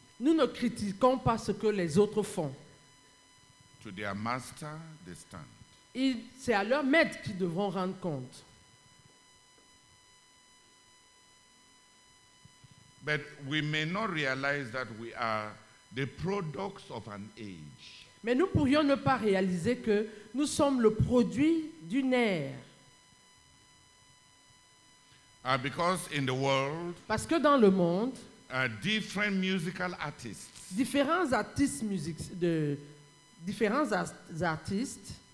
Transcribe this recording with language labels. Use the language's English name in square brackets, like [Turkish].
[French] Nous ne critiquons pas ce que les autres font. [English] To their master, they stand. [French] C'est à leur maître qu'ils devront rendre compte. [English] But we may not realize that we are the products of an age. [French] Mais nous pourrions ne pas réaliser que nous sommes le produit d'une ère. [English] Because in the world, [French] parce que dans le monde, [English] different musical artists, [French] différents artistes musiques de différents artistes